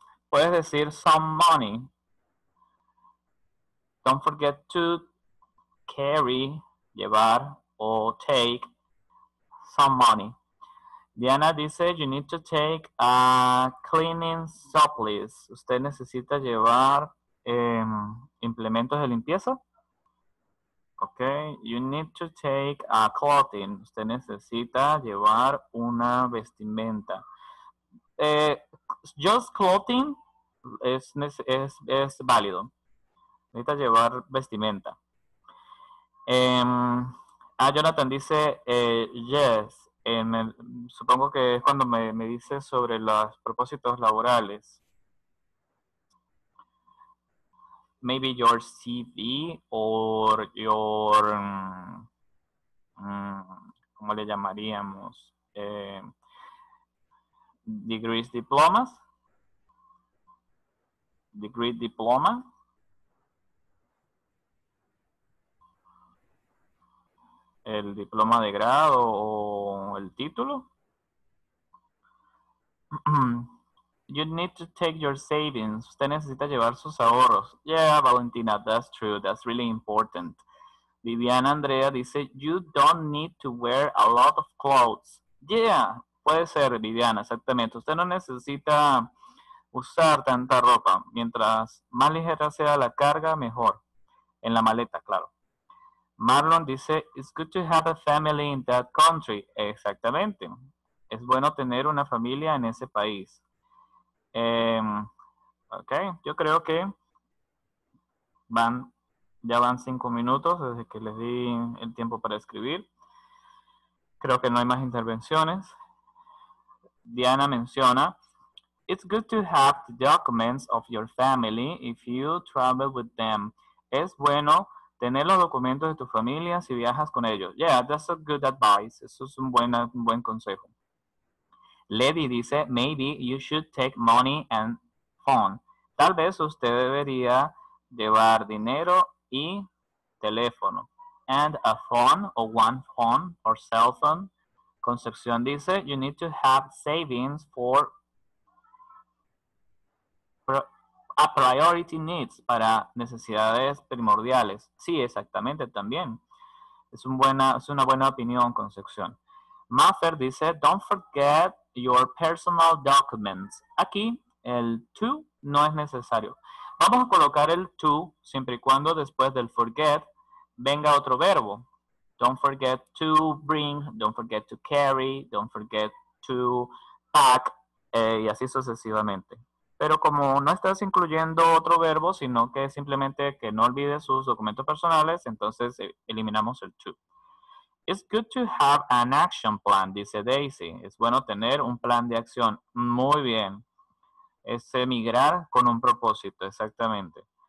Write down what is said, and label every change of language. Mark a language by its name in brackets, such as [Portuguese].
[Spanish] Puedes decir [English] some money, don't forget to carry, [Spanish] llevar o [English] take some money. Diana dice, you need to take a cleaning supplies. [Spanish] Usted necesita llevar implementos de limpieza. Ok. [English] You need to take a clothing. [Spanish] Usted necesita llevar una vestimenta. [English] Just clothing [Spanish] es válido. Necesita llevar vestimenta. Jonathan dice, yes. Supongo que es cuando me dice sobre los propósitos laborales. [English] Maybe your CV or your, [Spanish] ¿cómo le llamaríamos? [English] Degrees, diplomas. Degree, diploma. [Spanish] El diploma de grado o el título. [English] You need to take your savings. [Spanish] Usted necesita llevar sus ahorros. [English] Yeah, Valentina, that's true. That's really important. Viviana Andrea dice, you don't need to wear a lot of clothes. [Spanish] Yeah, puede ser, Viviana, exactamente. Usted no necesita usar tanta ropa. Mientras más ligera sea la carga, mejor. En la maleta, claro. [English] Marlon dice, it's good to have a family in that country. [Spanish] Exactamente. Es bueno tener una familia en ese país. Ok, yo creo que ya van 5 minutos desde que les di el tiempo para escribir. Creo que no hay más intervenciones. [English] Diana menciona, it's good to have the documents of your family if you travel with them. [Spanish] Es bueno tener los documentos de tu familia si viajas con ellos. [English] Yeah, that's a good advice. [Spanish] Eso es un buen consejo. [English] Lady dice, maybe you should take money and phone. [Spanish] Tal vez usted debería llevar dinero y teléfono. [English] And a phone, or one phone, or cell phone. [Spanish] Concepción dice, [English] you need to have savings for a priority needs, [Spanish] para necesidades primordiales. Sí, exactamente, también. Es una buena opinión, Concepción. [English] Maffer dice, don't forget your personal documents. [Spanish] Aquí el to no es necesario. Vamos a colocar el to siempre y cuando después del forget venga otro verbo. [English] Don't forget to bring, don't forget to carry, don't forget to pack, y así sucesivamente. [Spanish] Pero como no estás incluyendo otro verbo, sino que simplemente que no olvides sus documentos personales, entonces eliminamos el to. [English] It's good to have an action plan, dice Daisy. [Spanish] Es bueno tener un plan de acción. Muy bien. Es emigrar con un propósito, exactamente.